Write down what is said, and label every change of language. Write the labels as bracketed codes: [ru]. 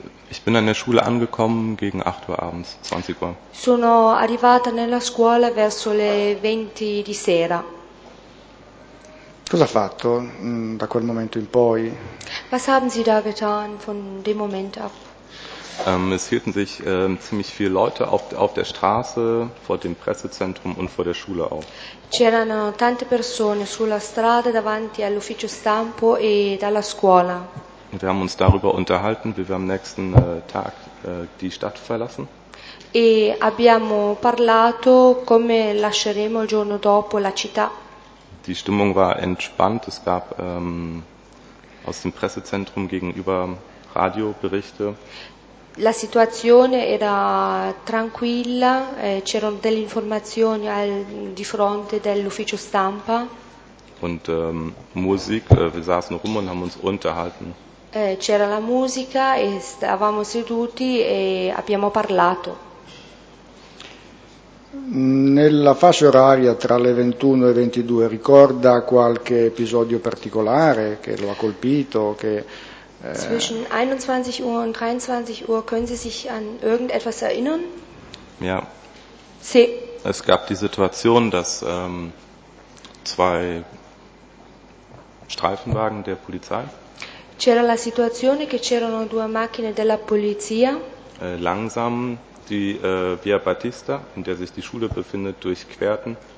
[de] Ich bin an der Schule angekommen gegen 8 Uhr abends, 20 Uhr. [it] Sono arrivata nella scuola verso le 20 di sera. Cosa ha fatto da quel momento in poi? [de] Was haben Sie da getan von dem Moment ab? Es hielten sich ziemlich viele Leute auf der Straße, vor dem Pressezentrum und vor der Schule auf. [it] C'erano tante persone sulla strada davanti all'ufficio stampo e dalla scuola. [de] Wir haben uns darüber unterhalten, wie wir am nächsten Tag die Stadt verlassen. [it] E abbiamo parlato come lasceremo il giorno dopo la città. [de] Die Stimmung war entspannt. Es gab aus dem Pressezentrum gegenüber Radioberichte. [it] La situazione era tranquilla. C'erano delle informazioni di fronte dell'ufficio stampa. [de] Und Musik. Wir saßen rum und haben uns unterhalten. [it] C'era la musica e stavamo seduti e abbiamo parlato. Nella fascia oraria tra le 21 e 22 ricorda qualche episodio particolare che lo ha colpito? Che, [de] Zwischen 21 Uhr und 23 Uhr können Sie sich an irgendetwas erinnern? Ja. [it] Sì. [de] Es gab die Situation, dass zwei Streifenwagen der Polizei. [it] C'era la situazione che c'erano due macchine della polizia. [de] Langsam die Via Battista, in der sich die Schule befindet, durchquerten.